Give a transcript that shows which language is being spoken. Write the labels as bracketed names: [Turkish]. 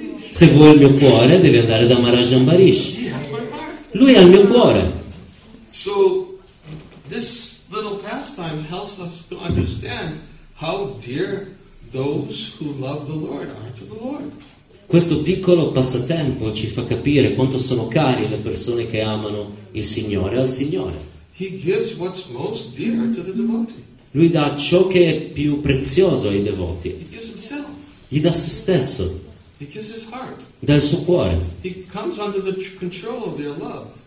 [Italian] Se vuoi il mio cuore, devi andare da Maharaj Ambarish. Lui ha il mio cuore. [English] So this little pastime helps us to understand how dear those who love the Lord are to the Lord. [Italian] Questo piccolo passatempo ci fa capire quanto sono cari le persone che amano il Signore al Signore. [English] He gives what's most dear to the devotee. [Italian] Lui dà ciò che è più prezioso ai devoti. [English] He gives himself. [Italian] Gli dà se stesso. [English] He gives his heart. [Italian] Dà il suo cuore. [English] He comes under the control of their love.